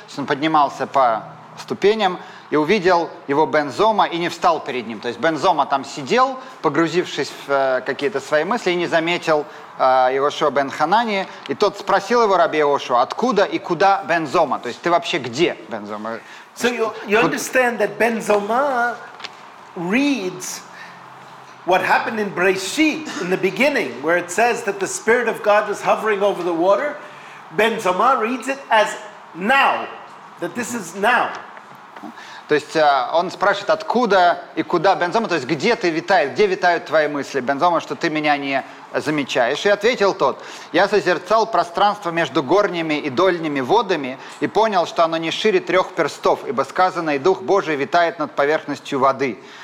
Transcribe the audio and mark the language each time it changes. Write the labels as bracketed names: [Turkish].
[Russian] Он поднимался по ступеням и увидел его Бен Зома и не встал перед ним. То есть Бен Зома там сидел, погрузившись в какие-то свои мысли, и не заметил Йошуа бен Ханани. И тот спросил его, Раби Йошуа, откуда и куда Бен Зома? То есть ты вообще где, Бен Зома? [English] So you understand that Бен Зома reads what happened in Bereishit, in the beginning, where it says that the Spirit of God is hovering over the water. Бен Зома reads it as now. That this is now. [Russian] То есть он спрашивает, откуда и куда Бен Зома, то есть где витают твои мысли, Бен Зома, что ты меня не замечаешь. И ответил тот, я созерцал пространство между горними и дольними водами и понял, что оно не шире трех перстов, ибо сказано, и Дух Божий витает над поверхностью воды.